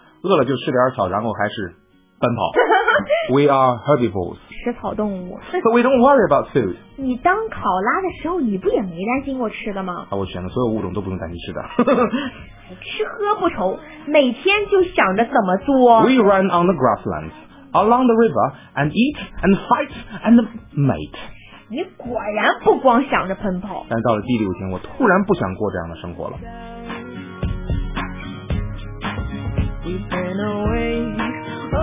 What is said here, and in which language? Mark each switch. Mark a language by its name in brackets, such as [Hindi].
[Chinese] 饿了就吃点草，然后还是奔跑。 [English] We are herbivores. [Chinese] 吃草动物。 [English] So we don't worry about food. [Chinese] 你当考拉的时候，你不也没担心过吃的吗？啊，我选的所有物种都不用担心吃的。吃喝不愁，每天就想着怎么做。 [English] We run on the grasslands, along the river, and eat, and fight, and mate. [Chinese] 你果然不光想着奔跑。但到了第六天，我突然不想过这样的生活了。